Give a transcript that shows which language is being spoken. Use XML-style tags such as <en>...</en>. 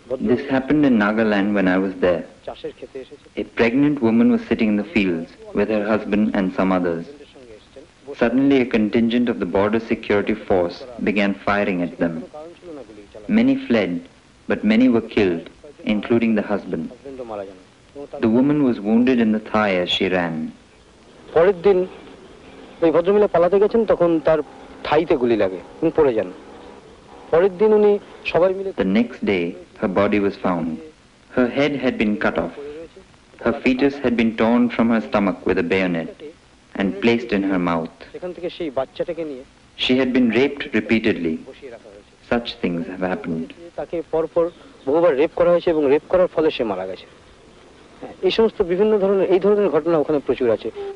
<en>This happened in Nagaland when I was there. A pregnant woman was sitting in the fields with her husband and some others. Suddenly, a contingent of the border security force began firing at them. Many fled, but many were killed, including the husband. The woman was wounded in the thigh as she ran.</en> <bn>পরের দিন ওই ভদ্রমহিলা পালাতে গেছেন তখন তার থাইতে গুলি লাগে উনি পড়ে যান পরের দিন উনি সবাই মিলে</bn> <en>The next day her body was found. Her head had been cut off. Her fetus had been torn from her stomach with a bayonet and placed in her mouth.</en> <bn>সেখান থেকে সেই বাচ্চাটাকে নিয়ে</bn> <en>She had been raped repeatedly. Such things have happened.</en> <bn>তাকে পরপর বহুবার rape করা হয়েছে এবং রেপ করার ফলে সে মারা গেছে এই সমস্ত বিভিন্ন ধরনের এই ধরনের ঘটনা ওখানে প্রচুর আছে</bn>